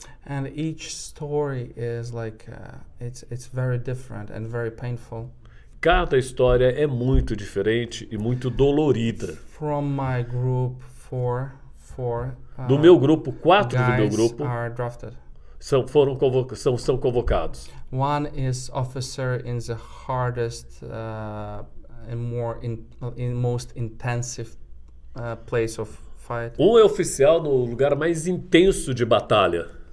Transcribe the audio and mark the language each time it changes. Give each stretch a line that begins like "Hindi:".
English: And each story is like, it's very different and very painful.
Portuguese: Cada história é muito diferente e muito dolorida.
English: From my group, four,
Portuguese: do meu grupo, quatro do meu grupo
English: are drafted.
Portuguese: São convocados.
English: One is officer in the hardest and more in most intensive place of fight.
Portuguese: Um é oficial no lugar mais intenso de batalha.